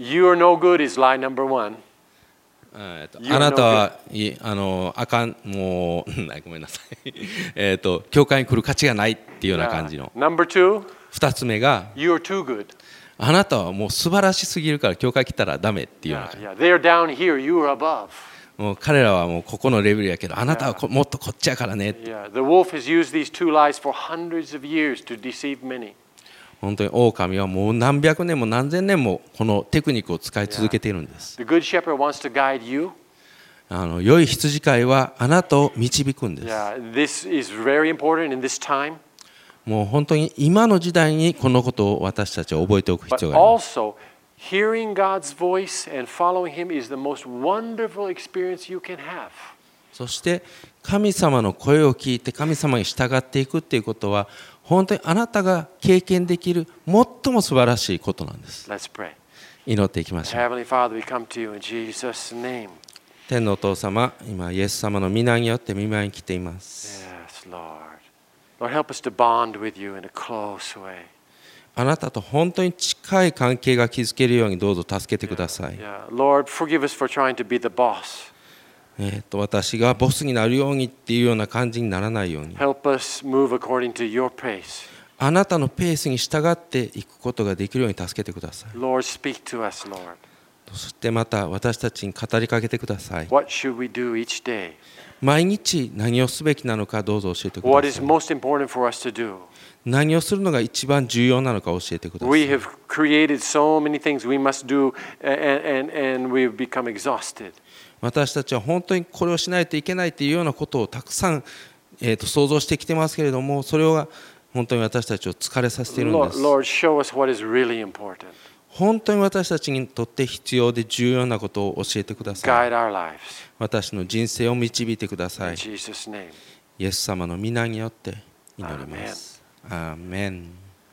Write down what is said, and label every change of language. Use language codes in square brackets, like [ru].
[en] You are no good is lie number one. [ja] あなたはあのあかんもうごめんなさい教会に来る価値がないっていうような感じの。 [en] Number two. [ja] 二つ目が、 [en] You're too good. [ja] あなたはもう素晴らしすぎるから教会来たらダメっていうような。 [en] Yeah, yeah. They're down here. You're above. [ja] もう彼らはもうここのレベルやけど、あなたはこ、 [en] yeah. [ja] もっとこっちやからね。 [en] Yeah. The wolf has used these two lies for hundreds of years to deceive many. [ja] 本当に狼はもう何百年も何千年もこのテクニックを使い続けているんです。 [en] Yeah. The good shepherd wants to guide you. [ja] あの良い羊飼いはあなたを導くんです。 [en] Yeah. This is very important in this time. [ja] もう本当に今の時代にこのことを私たちは覚えておく必要があります。 [en] Hearing God's voice and following Him is the most wonderful experience you can have. [ja] そして神様の声を聞いて神様に従っていくっていうことは本当にあなたが経験できる最も素晴らしいことなんです。 [en] Let's pray. [ja] 祈っていきましょう。 [en] Heavenly Father, we come to you in Jesus' name. [ja] 天のお父様、今イエス様の御名によって御前に来ています。 [en] Yes, Lord. Lord, help us to bond with you in a close way. [ja] あなたと本当に近い関係が築けるようにどうぞ助けてください。 [en] Yeah, yeah. Lord, forgive us for trying to be the boss. [ja] 私がボスになるようにっていうような感じにならないように。 [en] Help us move according to your pace. [ja] あなたのペースに従っていくことができるように助けてください。 [en] Lord, speak to us, Lord. [ja] そしてまた私たちに語りかけてください。 [en] What should we do each day? [ja] 毎日何をすべきなのかどうぞ教えてください。 [en] What is most important for us to do? [ja] 何をするのが一番重要なのか教えてください。 [en] We have created so many things we must do and we've become exhausted. [ja] 私たちは本当にこれをしないといけないというようなことをたくさん想像してきてますけれども、それが本当に私たちを疲れさせているんです。 [en] Lord, show us what is really important. [ja] 本当に私たちにとって必要で重要なことを教えてください。 [en] Guide our lives. [ja] 私の人生を導いてください。 [en] Jesus' name. [ja] イエス様の御名によって祈ります。アーメン。アーメン。